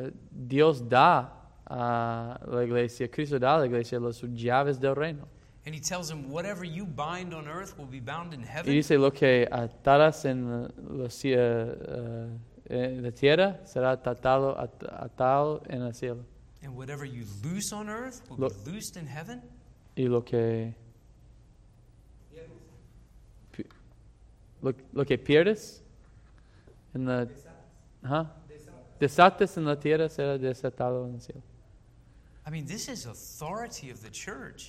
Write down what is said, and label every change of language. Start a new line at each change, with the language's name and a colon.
Spanish: Dios da a la iglesia, Cristo da a la iglesia las llaves del reino.
English: And he tells him, whatever you bind on earth will be bound in heaven.
Spanish: Y dice, lo que ataras en la tierra será atado en el cielo.
English: And whatever you loose on earth will be loosed in heaven.
Spanish: Y lo que pierdes en la... Desates en la tierra será desatado en el cielo.
English: I mean, this is authority of the church.